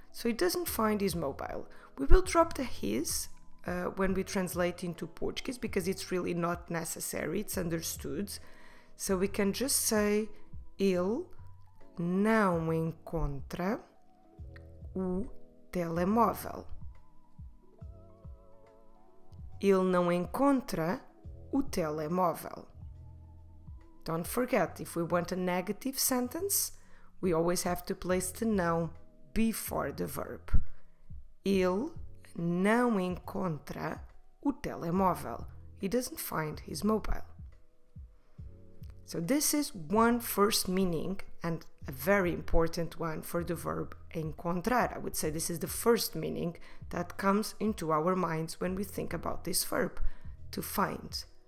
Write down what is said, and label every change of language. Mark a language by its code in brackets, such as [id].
[en] So he doesn't find his mobile. We will drop the his when we translate into Portuguese, because it's really not necessary, it's understood. So we can just say, [pt] ele não encontra o telemóvel. Ele não encontra o telemóvel. [en] Don't forget, if we want a negative sentence, we always have to place the noun before the verb. [pt] Ele não encontra o telemóvel. [en] He doesn't find his mobile. So this is one first meaning, and a very important one, for the verb encontrar. I would say this is the first meaning that comes into our minds when we think about this verb, to find.